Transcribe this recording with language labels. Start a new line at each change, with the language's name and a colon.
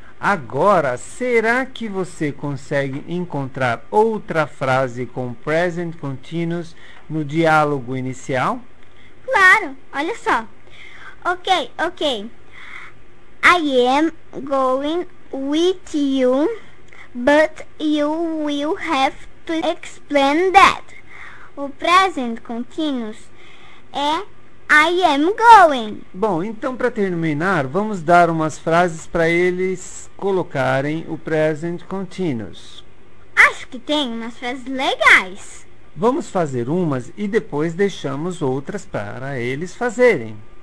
Portuguese: Agora, será que você consegue encontrar outra frase com present continuous no diálogo inicial? Claro, olha só. Ok, ok.
English: I am going with you, but you will have to explain that.
Portuguese: O present continuous é
English: I am going.
Portuguese: Bom, então para terminar, vamos dar umas frases para eles colocarem o present continuous. Acho que tem umas frases legais. Vamos fazer umas e depois deixamos outras para eles fazerem.